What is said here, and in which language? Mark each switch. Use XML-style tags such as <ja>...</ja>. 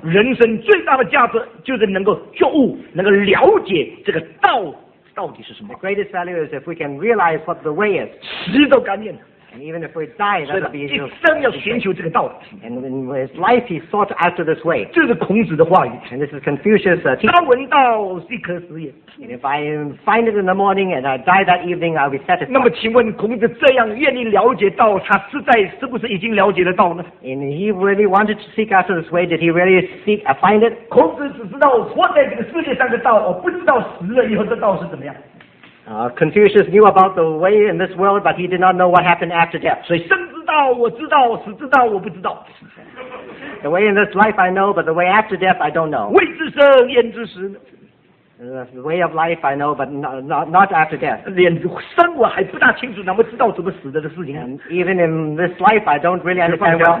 <zh>人生最大的价值就是能够觉悟，能够了解这个道到底是什么。</zh> <en>The greatest value is if we can realize what the way is.</en> <zh>死都甘愿。</zh> <en>And even if we die, that would be his will.</en> <zh>一生要寻求这个道理。</zh> <en>And in his life, he sought after this way.</en> <zh>这是孔子的话语。</zh> <en>And this is Confucius' teaching.</en> <zh>朝闻道，夕可死也。</zh> <en>And if I find it in the morning and I die that evening, I'll be satisfied.</en> <zh>那么请问孔子这样愿意了解道，他实在是不是已经了解了道呢？</zh> <en>And he really wanted to seek after this way. Did he really seek, find it?</en> <zh>孔子只知道活在这个世界上的道，而不知道死了以后这道是怎么样。</zh> <en>Confucius knew about the way in this world, but he did not know what happened after death.</en> <zh>所以生知道，我知道；死知道，我不知道。</zh> <en>The way in this life I know, but the way after death I don't know.</en> <zh>未知生焉知死。</zh> <en>The way of life I know, but not after death.</en> <zh>连生我还不大清楚，哪么知道怎么死的事情？</zh> <en>And even in this life, I don't really understand well.</en>